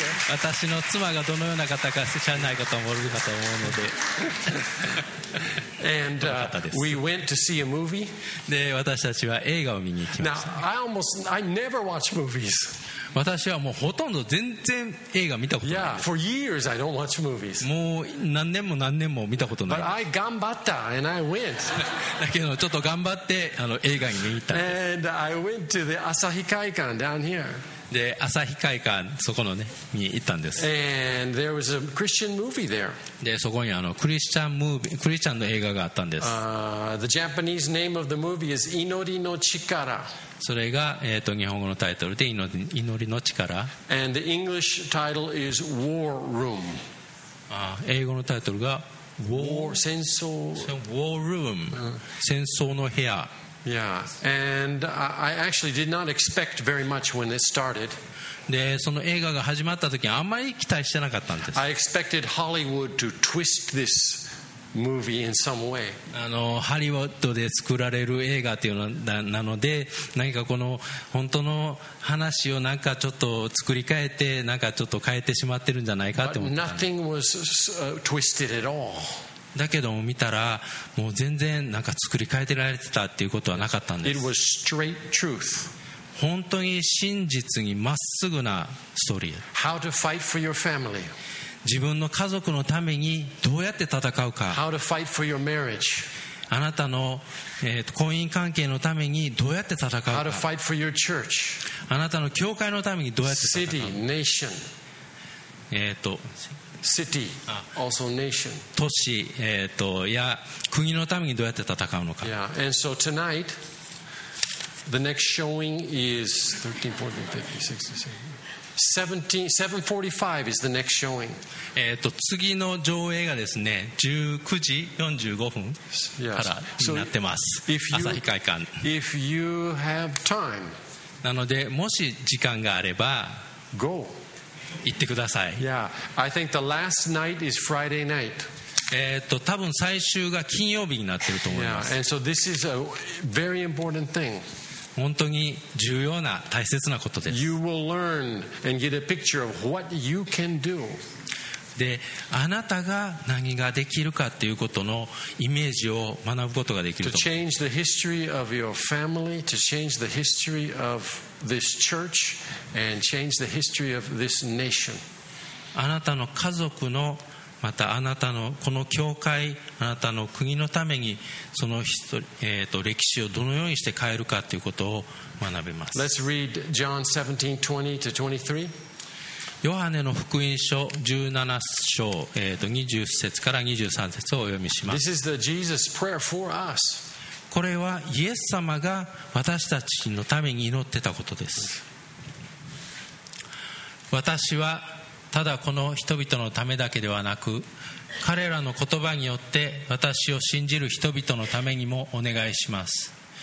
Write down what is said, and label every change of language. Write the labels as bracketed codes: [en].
[ja] 私の妻がどのような方か知らない方もいるかと思うので。 [en] And, we went to see a movie. [ja] で、私たちは映画を見に行きました。 [en] Now, I never watch movies. [ja] 私はもうほとんど全然映画見たことないです。 [en] Yeah, for years I don't watch movies. [ja] もう何年も何年も見たことない。 [en] But I [ja] 頑張った [en] and I went. [ja] だけどちょっと頑張って映画に見に行ったんです。 [en] And I went to the Asahi Kaikan down here. [ja] で朝日会館そこのねに行ったんです。 [en] And there was a Christian movie there. [ja] でそこにクリスチャンムービー、クリスチャンの映画があったんです。 [en] The Japanese name of the movie is [ja] 祈りの力。それが日本語のタイトルで祈りの力。 [en] And the English title is War Room. [ja] 英語のタイトルが War 戦争。 War Room、戦争の部屋。 [en] Yeah, and I actually did not expect very much when it started. [ja] で、その映画が始まった時にあんまり期待してなかったんです。 [en] I expected Hollywood to twist this movie in some way. [ja] ハリウッドで作られる映画っていうのなので、何かこの本当の話をなんかちょっと作り変えて、なんかちょっと変えてしまってるんじゃないかって思った。 [en] But nothing was twisted at all. [ja] だけども見たらもう全然なんか作り変えてられてたっていうことはなかったんです。 [en] It was straight truth. [ja] 本当に真実にまっすぐなストーリー。 [en] How to fight for your family. [ja] 自分の家族のためにどうやって戦うか。 [en] How to fight for your marriage. [ja] あなたの、婚姻関係のためにどうやって戦うか。 [en] How to fight for your church. [ja] あなたの教会のためにどうやって戦うか。 [en] City, nation. City, also nation. [ja] 都市、いや国のためにどうやって戦うのか。 [en] Yeah, and so tonight, the next showing is 7:45 is the next showing. [ja] 次の上映がですね、19時45分からになってます。 [en] Yeah. So、 [ja] 朝日会館。 [en] If you have time, [ja] なのでもし時間があれば、 [en] go. [ja] 行ってください。 [en] Yeah, I think the last night is Friday night. [ja] 多分最終が金曜日になってると思います。 [en] Yeah, and so this is a very important thing. [ja] 本当に重要な大切なことです。 [en] You will learn and get a picture of what you can do. [ja] で、あなたが何ができるかっていうことのイメージを学ぶことができると思います。 [en] To change the history of your family, to change the history of this church. And change the history of this nation. [ja] あなたの家族のまたあなたのこの教会あなたの国のためにその歴史をどのようにして変えるかということを学びます。 [en] Let's read John 17:20-23. [ja] ヨハネの福音書17章、20節から23節をお読みします。 [en] This is the Jesus prayer for us. [ja] これはイエス様が私たちのために祈ってたことです。私はただこの人々のためだけではなく、彼らの言葉によって私を信じる人々のためにもお願いします。